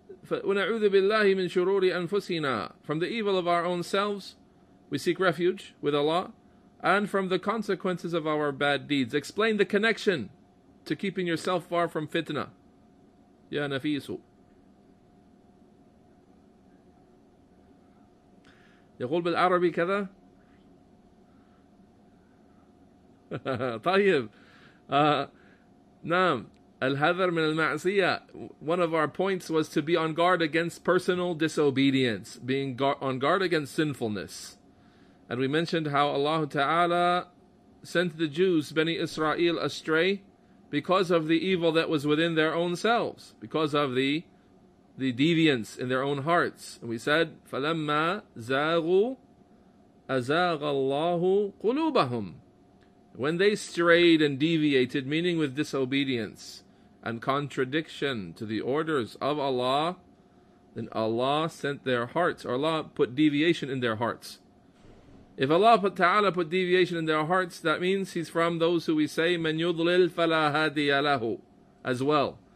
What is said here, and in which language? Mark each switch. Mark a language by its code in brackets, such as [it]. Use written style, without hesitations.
[ar] ونعوذ بالله من شرور أنفسنا. [en] From the evil of our own selves, we seek refuge with Allah, and from the consequences of our bad deeds. Explain the connection to keeping yourself far from fitna. [ar] يا نفيس. يقول بالعربي كذا. طيب. نعم. الحذر من المعصية. [en] One of our points was to be on guard against personal disobedience, being on guard against sinfulness. And we mentioned how Allah Ta'ala sent the Jews, Bani Israel, astray because of the evil that was within their own selves, because of the deviance in their own hearts. And we said, [ar] فَلَمَّا زَاغُوا أَزَاغَ اللَّهُ قُلُوبَهُمْ. [en] When they strayed and deviated, meaning with disobedience and contradiction to the orders of Allah, then Allah sent their hearts, or Allah put deviation in their hearts. If Allah Ta'ala put deviation in their hearts, that means He's from those who we say, [ar] مَنْ يُضْلِلْ فَلَا هَادِيَ لَهُ, [en] as well.